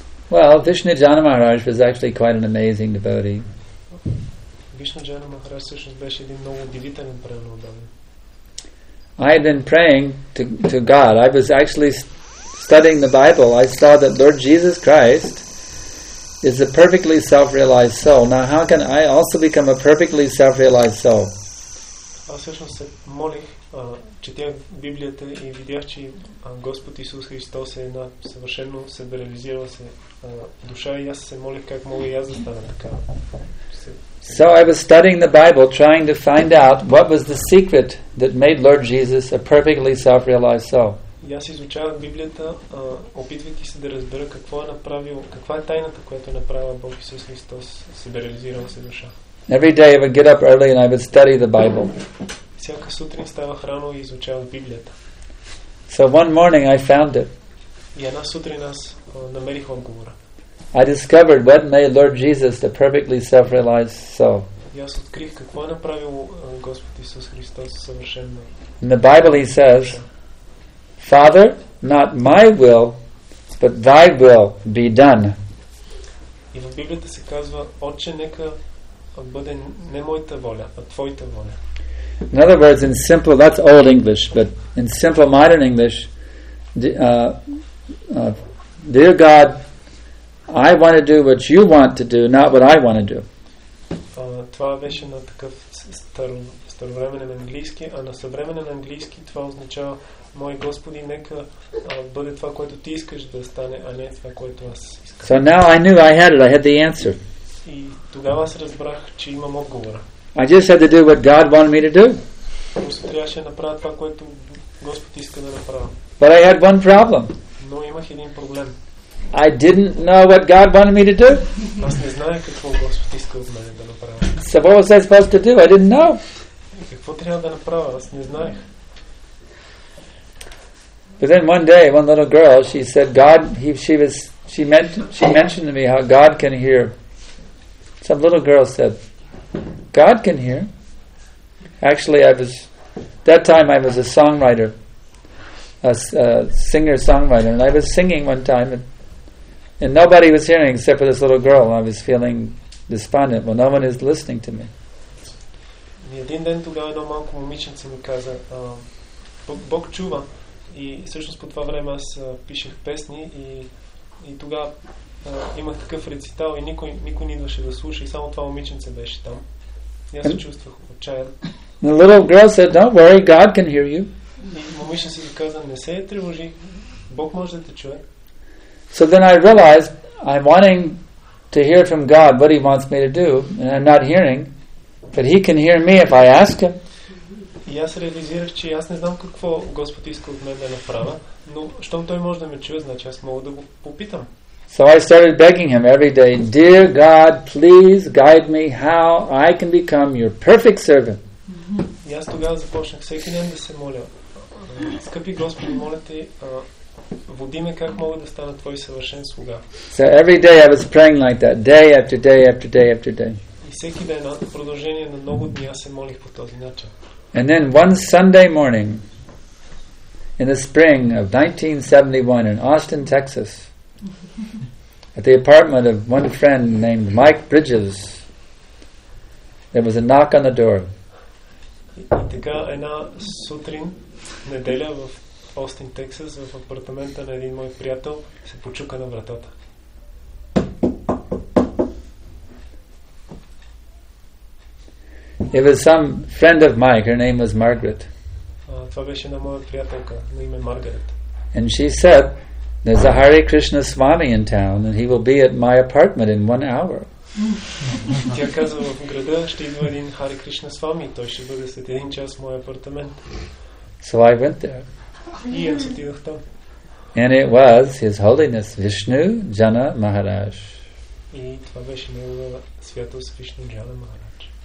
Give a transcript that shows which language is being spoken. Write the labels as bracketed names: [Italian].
[English] Well, Vishnujana Maharaj was actually quite an amazing devotee. [Bulgarian] Vishnujana Maharaj всъщност беше един много удивителен преноданник. [English] I had been praying to God. I was actually studying the Bible, I saw that Lord Jesus Christ is a perfectly self-realized soul. Now, how can I also become a perfectly self-realized soul? [Bulgarian] Аз всъщност се молих, четях Библията и видях, че Господ Исус Христос е една съвършено себерализирала се душа и аз се молих как мога и аз да стана така. [English] So I was studying the Bible, trying to find out what was the secret that made Lord Jesus a perfectly self-realized soul. [Bulgarian] И аз изучавах Библията, опитвайки се да разбера какво е направил, каква е тайната, която е направила Бог Исус Христос, себе реализирал се душа. [English] Every day I would get up early and I would study the Bible. [Bulgarian] Всяка сутрин ставах рано и изучавах Библията. [English] So one morning I found it. [Bulgarian] И една сутрин аз намерих отговора. [English] I discovered what made Lord Jesus the perfectly self-realized soul. [Bulgarian] И аз открих какво е направил Господ Исус Христос съвършенно. [English] In the Bible he says, Father, not my will, but thy will be done. [Bulgarian] И в Библията се казва, Отче, нека бъде не моята воля, а твоята воля. [English] In other words, in simple, that's old English, but in simple modern English, dear God, I want to do what you want to do, not what I want to do. [Bulgarian] Това беше на такъв старовременен английски, а на съвременен английски това означава, мой Господи, нека бъде това, което ти искаш да стане, а не това, което аз искам. [English] So now I knew I had it, I had the answer. [Bulgarian] И тогава аз разбрах, че имам отговора. [English] I just had to do what God wanted me to do. [Bulgarian] Просто трябваше да направя това, което Господ иска да направя. [English] But I had one problem. [Bulgarian] Но имах един проблем. [English] I didn't know what God wanted me to do. [Bulgarian] Аз не знаех какво Господ иска от мен да направя. [English] So what was I supposed to do? I didn't know. [Bulgarian] Какво трябва да направя? Аз не знаех. [English] But then one day, one little girl, she said, God, she mentioned to me how God can hear. Some little girl said, God can hear. Actually, that time I was a songwriter, a singer-songwriter, and I was singing one time, and nobody was hearing except for this little girl. I was feeling despondent. Well, no one is listening to me. [Bulgarian] Един ден тогава едно малко момиченце ми каза, Бог чува. И всъщност по това време аз пишех песни и тогава имах такъв рецитал и никой не идваше да слуша и само това момиченце беше там. И аз се чувствах отчаян. [English] The little girl said, "Don't worry, God can hear you." [Bulgarian] И момиченцето каза, "Не се тревожи, Бог може да те чуе." [English] So then I realized I'm wanting to hear from God what he wants me to do and I'm not hearing, but he can hear me if I ask him. [Bulgarian] И аз реализирах, че аз не знам какво Господ иска от мен да направя, но щом той може да ме чуе, значи аз мога да го попитам. [English] So I started begging him every day, "Dear God, please guide me how I can become your perfect servant." [Bulgarian] И аз тогава започнах всеки ден да се моля. Скъпи Господи, моля те, води ме как мога да стана твой съвършен слуга. [English] So every day I was praying like that, day after day after day after day. [Bulgarian] И всеки ден, в продължение на много дни, аз се молих по този начин. [English] And then one Sunday morning in the spring of 1971 in Austin, Texas, at the apartment of one friend named Mike Bridges, there was a knock on the door. [Bulgarian] Така една сутрин, неделя в Austin, Texas, в апартамента на един мой приятел се почука на вратата. [English] It was some friend of Mike, her name was Margaret. [Bulgarian] Това беше на моя приятелка, на име Маргарет. [English] And she said, "There's a Hare Krishna Swami in town and he will be at my apartment in 1 hour. [Bulgarian] Тя каза, в града ще идва един Hare Krishna Swami, той ще бъде след един час в моя апартамент. [English] So I went there. [Bulgarian] И аз отидох там. [English] And it was His Holiness Vishnu Jana Maharaj. [Bulgarian] И това беше негова святост Вишну Джана Махарадж.